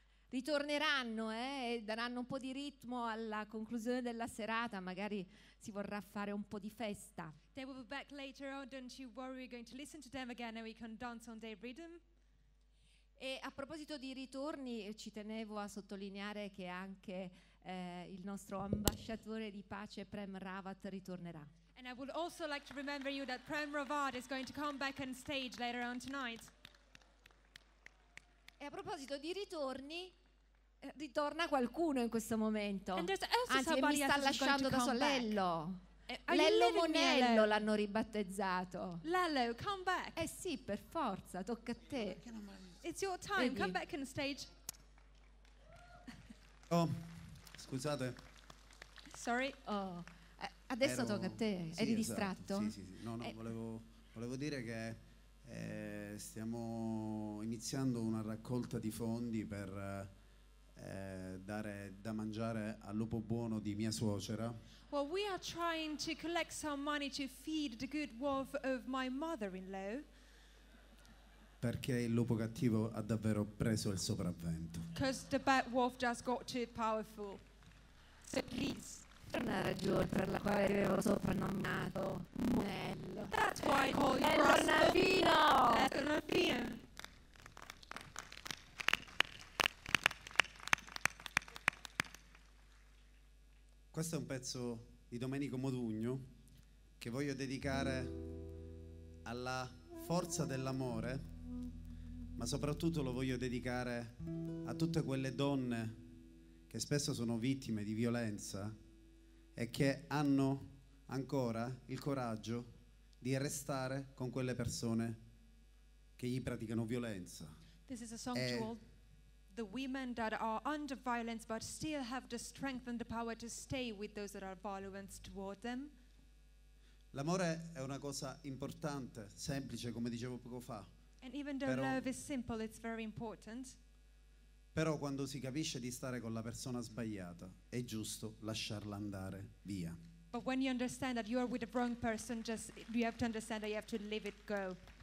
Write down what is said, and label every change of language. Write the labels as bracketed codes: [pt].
[it] Ritorneranno e daranno un po' di ritmo alla conclusione della serata, magari si vorrà fare un po' di festa. [en] They will be back later on, don't you worry, we're going to listen to them again and we can dance on their rhythm. [it] E a proposito di ritorni, ci tenevo a sottolineare che anche il nostro ambasciatore di pace Prem Rawat ritornerà. [en] And I would also like to remember you that Prem Rawat is going to come back on stage later on tonight. [it] E a proposito di ritorni, ritorna qualcuno in questo momento. [en] And there's also [it] anzi, [en] somebody [it] mi sta [en] else [it] lasciando da solo Lello. Lello Monello l'hanno ribattezzato. [en] Lello, come back. [it] Eh sì, per forza, tocca a te. [en] It's your time, [it] vedi? [en] Come back on stage. [it] Oh, scusate. [en] Sorry. [it] Oh. Adesso tocca a te, sì, eri esatto. Distratto? Sì, sì, sì. No, volevo dire che stiamo iniziando una raccolta di fondi per dare da mangiare al lupo buono di mia suocera. [en] Well, we are trying to collect some money to feed the good wolf of my mother-in-law. [it] Perché il lupo cattivo ha davvero preso il sopravvento. [en] Because the bad wolf just got too powerful. So please. [it] Per una ragione per la quale avevo soprannominato Monello. [en] That's why I call you Monello. Monello. [it] Questo è un pezzo di Domenico Modugno che voglio dedicare alla forza dell'amore, ma soprattutto lo voglio dedicare a tutte quelle donne che spesso sono vittime di violenza e che hanno ancora il coraggio di restare con quelle persone che gli praticano violenza. [en] This is a song to all the women that are under violence but still have the strength and the power to stay with those that are violent toward them. [it] L'amore è una cosa importante, semplice, come dicevo poco fa. [en] And even though love is simple, it's very important. [it] Però quando si capisce di stare con la persona sbagliata, è giusto lasciarla andare via. [en] But when you understand that you are with the wrong person, just you have to understand that you have to leave it go.